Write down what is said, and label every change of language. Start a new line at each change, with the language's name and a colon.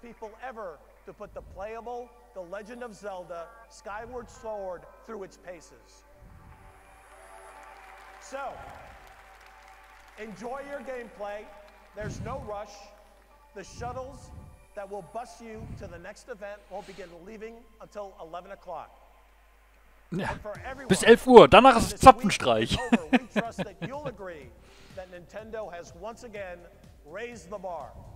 English: The first people ever to put the playable The Legend of Zelda Skyward Sword through its paces. So, enjoy your gameplay. There's no rush. The shuttles that will bus you to the next event won't begin leaving until 11 o'clock.
German: Ja.
English: For everyone,
German: bis 11 Uhr, danach ist es Zapfenstreich.
English: We trust that you'll agree that Nintendo has once again raised the bar.